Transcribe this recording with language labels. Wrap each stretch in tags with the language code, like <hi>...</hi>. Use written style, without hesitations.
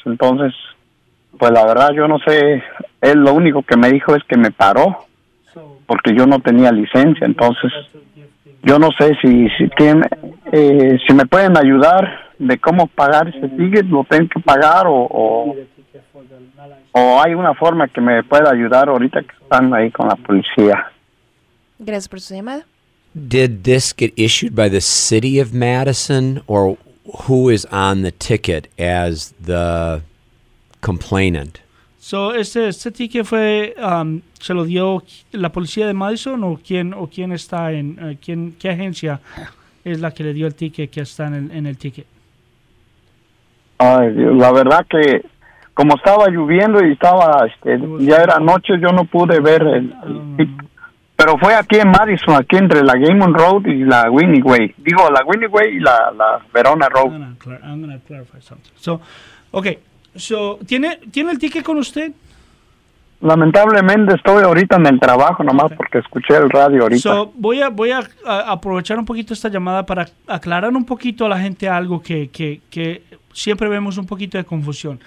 <es>Entonces, pues la verdad, yo no sé. Él lo único que me dijo es que me paró, porque yo no tenía licencia. Entonces, yo no sé si me pueden ayudar de cómo pagar ese ticket. ¿Lo tengo que pagar o hay una forma que me pueda ayudar ahorita que están ahí con la policía? Gracias por su llamada.</es> <en>Did this get issued by the city of Madison, or who is on the ticket as the complainant?</en> <es>So este ticket fue se lo dio la policía de Madison, o quién está en quién, qué agencia es la que le dio el ticket, que está en el ticket. Ay, la verdad que como estaba lloviendo y estaba ya era noche, yo no pude ver el ticket. Pero fue aquí en Madison, aquí entre la Gaiman Road y la Winnie Way. Digo, la Winnie Way y la Verona Road.</es> <en>I'm gonna clarify something.</en> <es>So, ¿tiene el ticket con usted? Lamentablemente estoy ahorita en el trabajo nomás, porque escuché el radio ahorita. So, voy a aprovechar un poquito esta llamada para aclarar un poquito a la gente algo que siempre vemos un poquito de confusión.</es>